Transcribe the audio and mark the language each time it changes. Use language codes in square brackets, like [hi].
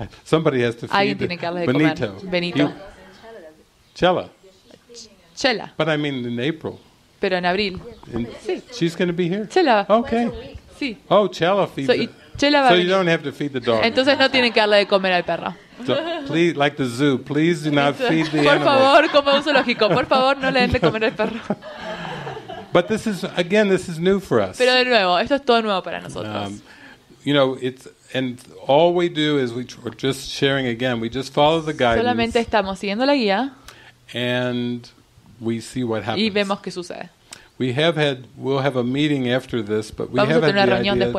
[en] Somebody has to feed. [es] Alguien tiene que darle de [en] Benito. [es] Comer. Benito. [en] Chela. [es] Chela. [en] But I mean in April. [es] Pero en abril. In, sí. [en] She's going to be here. [es] Chela. [en] Okay. [es] Sí. [en] Oh, Chela feeds. So you don't have to feed the dog. [es] Entonces no tienen que darle de comer al perro. [en] So, please, like the zoo, please do not feed the animal. [es] Por favor, como un zoológico, por favor, no le den de comer al perro. [en] But this is again, this is new for us. [es] Pero de nuevo, esto es todo nuevo para nosotros. [en] You know, it's and all we do is we're just sharing again. We just follow the guidance. [es] Solamente estamos siguiendo la guía. [en] And we see what happens. [es] Y vemos qué sucede. [en] We have had, we'll have a meeting after this, but we have had the idea to